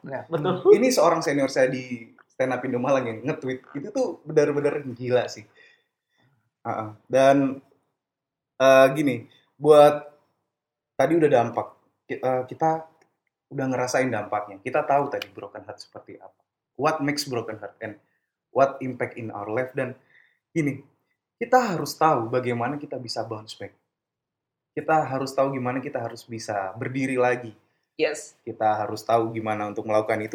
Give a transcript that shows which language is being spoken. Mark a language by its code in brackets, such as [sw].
[id] Ya. Betul. Ini seorang senior saya di Stand Up Indo Malang yang nge-tweet. Itu tuh benar-benar gila sih. Dan gini, buat tadi udah dampak. Kita udah ngerasain dampaknya. Kita tahu tadi broken heart seperti apa. [en] What makes broken heart and what impact in our life. [id] Dan ini, kita harus tahu bagaimana kita bisa [en] bounce back. [id] Kita harus tahu gimana kita harus bisa berdiri lagi. [en] Yes. [id] Kita harus tahu gimana untuk melakukan itu.